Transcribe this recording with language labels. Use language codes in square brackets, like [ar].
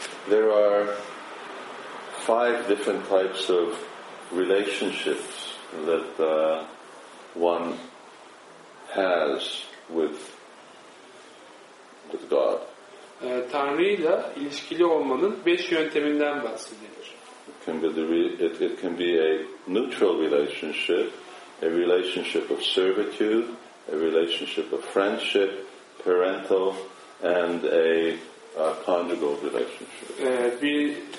[en] There are five different types of relationships that one has with God. [tr] Tanrı'yla ilişkili olmanın 5 yönteminden bahsedilir. [en] It can be a neutral relationship, a relationship of servitude, a relationship of friendship, parental, and a conjugal relationship.